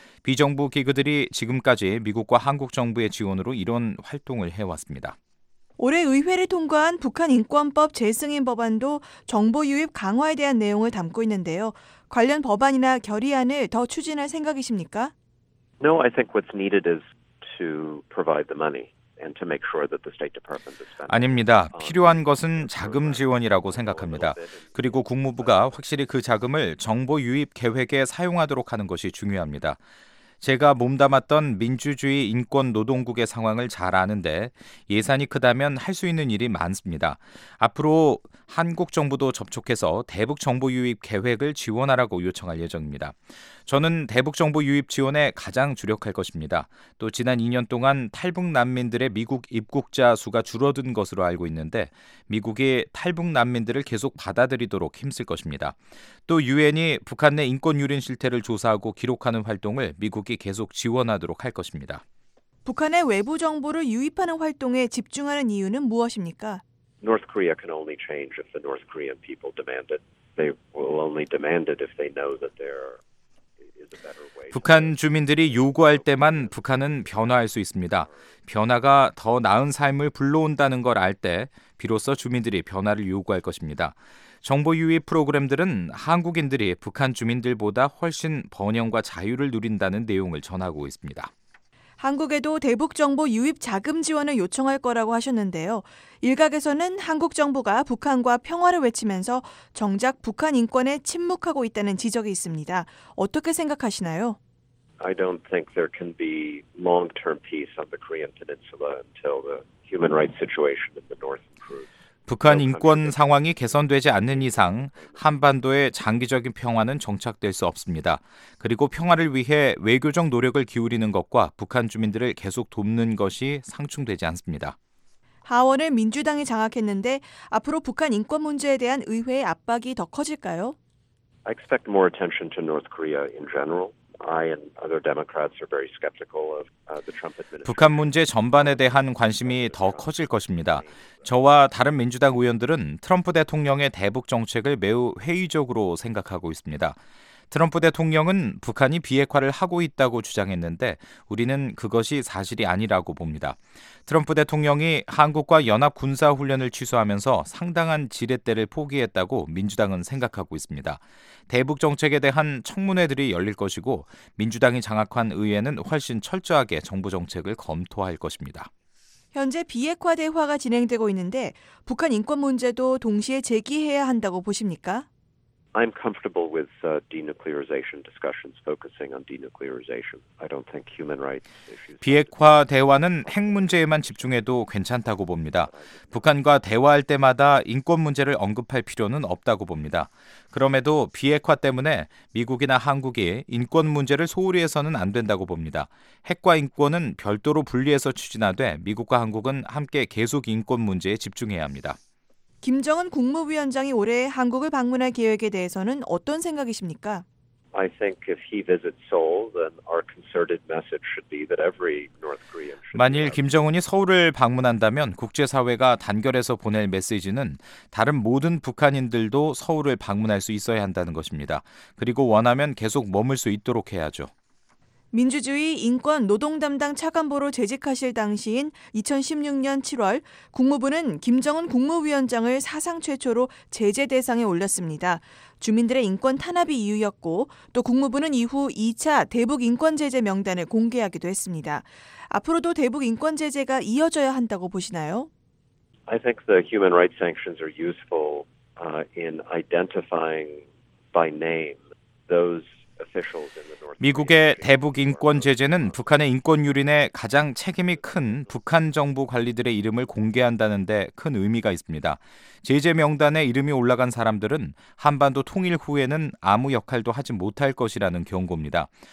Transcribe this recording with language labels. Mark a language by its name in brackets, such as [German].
[Korean] 비정부 기구들이 지금까지 미국과 한국 정부의 지원으로 이런 활동을 해왔습니다. 올해 의회를 통과한 북한인권법 재승인 법안도 정보 유입 강화에 대한 내용을 담고 있는데요. 관련 법안이나 결의안을 더 추진할 생각이십니까? [English] No, I think what's needed is to provide the money and to make sure that the State Department is spending. [Korean] 아닙니다. 필요한 것은 자금 지원이라고 생각합니다. 그리고 국무부가 확실히 그 자금을 정보 유입 계획에 사용하도록 하는 것이 중요합니다. 제가 몸담았던 민주주의 인권 노동국의 상황을 잘 아는데 예산이 크다면 할 수 있는 일이 많습니다. 앞으로 한국 정부도 접촉해서 대북 정보 유입 계획을 지원하라고 요청할 예정입니다. 저는 대북 정보 유입 지원에 가장 주력할 것입니다. 또 지난 2년 동안 탈북 난민들의 미국 입국자 수가 줄어든 것으로 알고 있는데 미국이 탈북 난민들을 계속 받아들이도록 힘쓸 것입니다. 또 유엔이 북한 내 인권 유린 실태를 조사하고 기록하는 활동을 미국이 계속 지원하도록 할 것입니다. 북한의 외부 정보를 유입하는 활동에 집중하는 이유는 무엇입니까? [English] North Korea can only change if the North Korean people demand it. They will only demand it if they know that there are [Korean] 북한 주민들이 요구할 때만 북한은 변화할 수 있습니다. 변화가 더 나은 삶을 불러온다는 걸 알 때 비로소 주민들이 변화를 요구할 것입니다. 정보 유입 프로그램들은 한국인들이 북한 주민들보다 훨씬 번영과 자유를 누린다는 내용을 전하고 있습니다. 한국에도 대북 정보 유입 자금 지원을 요청할 거라고 하셨는데요. 일각에서는 한국 정부가 북한과 평화를 외치면서 정작 북한 인권에 침묵하고 있다는 지적이 있습니다. 어떻게 생각하시나요? [English] I don't think there can be long-term peace on the Korean Peninsula until the human rights situation in the north improves. [Korean] 북한 인권 상황이 개선되지 않는 이상 한반도의 장기적인 평화는 정착될 수 없습니다. 그리고 평화를 위해 외교적 노력을 기울이는 것과 북한 주민들을 계속 돕는 것이 상충되지 않습니다. 하원을 민주당이 장악했는데 앞으로 북한 인권 문제에 대한 의회의 압박이 더 커질까요? [English] I expect more attention to North Korea in general. I and other Democrats are very skeptical of the Trump administration. [Korean] 북한 문제 전반에 대한 관심이 더 커질 것입니다. 저와 다른 민주당 의원들은 트럼프 대통령의 대북 정책을 매우 회의적으로 생각하고 있습니다. 트럼프 대통령은 북한이 비핵화를 하고 있다고 주장했는데 우리는 그것이 사실이 아니라고 봅니다. 트럼프 대통령이 한국과 연합 군사 훈련을 취소하면서 상당한 지렛대를 포기했다고 민주당은 생각하고 있습니다. 대북 정책에 대한 청문회들이 열릴 것이고 민주당이 장악한 의회는 훨씬 철저하게 정부 정책을 검토할 것입니다. 현재 비핵화 대화가 진행되고 있는데 북한 인권 문제도 동시에 제기해야 한다고 보십니까? [English] I'm comfortable with denuclearization discussions focusing on denuclearization. I don't think human rights issues. [Korean] 비핵화 대화는 핵 문제에만 집중해도 괜찮다고 봅니다. 북한과 대화할 때마다 인권 문제를 언급할 필요는 없다고 봅니다. 그럼에도 비핵화 때문에 미국이나 한국이 인권 문제를 소홀히 해서는 안 된다고 봅니다. 핵과 인권은 별도로 분리해서 추진하되 미국과 한국은 함께 계속 인권 문제에 집중해야 합니다. 김정은 국무위원장이 올해 한국을 방문할 계획에 대해서는 어떤 생각이십니까? [English] I think if he visits Seoul, then our concerted message should be that every North Korean should. [Korean] 만일 김정은이 서울을 방문한다면 국제사회가 단결해서 보낼 메시지는 다른 모든 북한인들도 서울을 방문할 수 있어야 한다는 것입니다. 그리고 원하면 계속 머물 수 있도록 해야죠. 민주주의 인권 노동 담당 차관보로 재직하실 당시인 2016년 7월 국무부는 김정은 국무위원장을 사상 최초로 제재 대상에 올렸습니다. 주민들의 인권 탄압이 이유였고 또 국무부는 이후 2차 대북 인권 제재 명단을 공개하기도 했습니다. 앞으로도 대북 인권 제재가 이어져야 한다고 보시나요? [English] I think the human rights sanctions are useful in identifying by name those [Korean] 미국의 대북 인권 제재는 북한의 인권 유린에 가장 책임이 큰 북한 정부 관리들의 이름을 공개한다는 데 큰 의미가 있습니다. 제재 명단에 이름이 올라간 사람들은 한반도 통일 후에는 아무 역할도 하지 못할 것이라는 경고입니다.